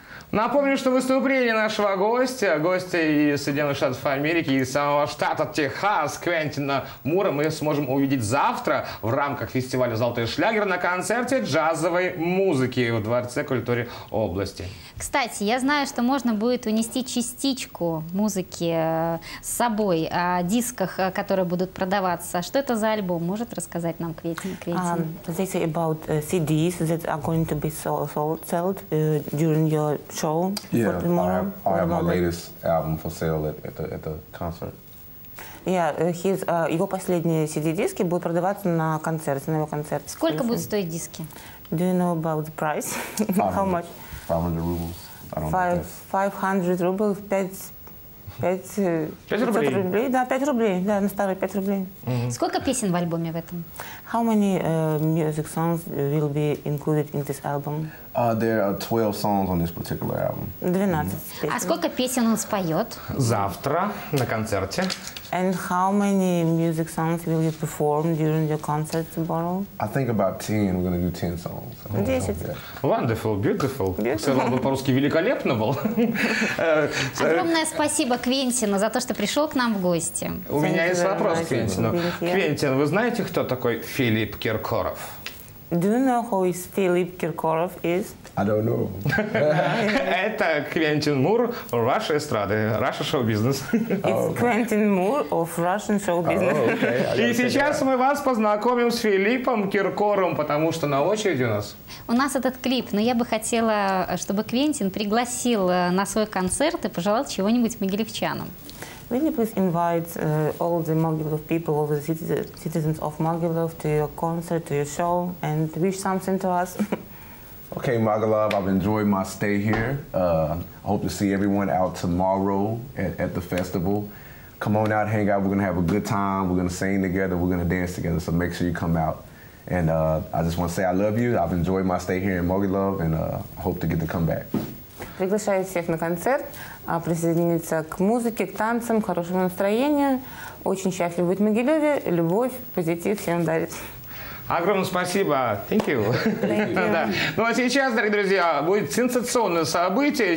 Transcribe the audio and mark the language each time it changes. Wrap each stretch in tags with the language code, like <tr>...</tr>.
<ru>Напомню, что выступление нашего гостя из Соединенных Штатов Америки, из самого штата Техас, Квентина Мура, мы сможем увидеть завтра в рамках фестиваля «Золотой шлягер» на концерте джазовой музыки в Дворце культуры области. Кстати, я знаю, что можно будет унести частичку музыки с собой, о дисках, которые будут продаваться. Что это за альбом? Может рассказать нам Квентин?</ru> <en>They say about CDs that are going to be sold during your show. Yeah, I have my latest album for sale at the concert.</en> <ru>Yeah, его последние CD-диски будут продаваться на концерте, на его концерте. Сколько будут стоить диски?</ru> <en>Do you know about the price? How much? 500 rubles. I don't know. 500 rubles,</en> <ru>5 рублей. Да, 5 рублей. Да, на старый 5 рублей. Mm-hmm. Сколько песен в альбоме в этом?</ru> <en>How many music songs will be included in this album? There are 12 songs on this particular album.</en> <ru>12 mm-hmm. песен. А сколько песен он споет? Завтра на концерте.</ru> <en>And how many music songs will you perform during your concert tomorrow? I think about 10. We're going to do 10 songs. 10. Wonderful, beautiful.</en> <ru>Сказал бы по-русски великолепно был. Огромное спасибо Квентину за то, что пришел к нам в гости. У меня есть вопрос к Квентину. Квентин, вы знаете, кто такой Филипп Киркоров?</ru> <en>Do you know who is Филипп Киркоров is? I don't know.</en> <ru>Это Квентин Мур вашей эстрады,</ru> <en>Russian show business. It's Quentin Moore of Russian show business.</en> <ru>И сейчас мы вас познакомим с Филиппом Киркоровым, потому что на очереди у нас. У нас этот клип, но я бы хотела, чтобы Квентин пригласил на свой концерт и пожелал чего-нибудь могилевчанам.</ru> <en>Will you please invite all the Могилев people, all the citizens of Могилев to your concert, to your show, and wish something to us? Okay, Могилев, I've enjoyed my stay here. I hope to see everyone out tomorrow at the festival. Come on out, hang out. We're going to have a good time. We're going to sing together. We're going to dance together. So make sure you come out. And I just want to say I love you. I've enjoyed my stay here in Могилев, and hope to get to come back.</en> <ru>Приглашаю всех на концерт, присоединиться к музыке, к танцам, к хорошему настроению. Очень счастлив быть в Могилеве. Любовь, позитив всем дарит. Огромное спасибо.</ru> <en>Thank you. Thank you. Да.</en> <ru>Ну а сейчас, дорогие друзья, будет сенсационное событие.</ru>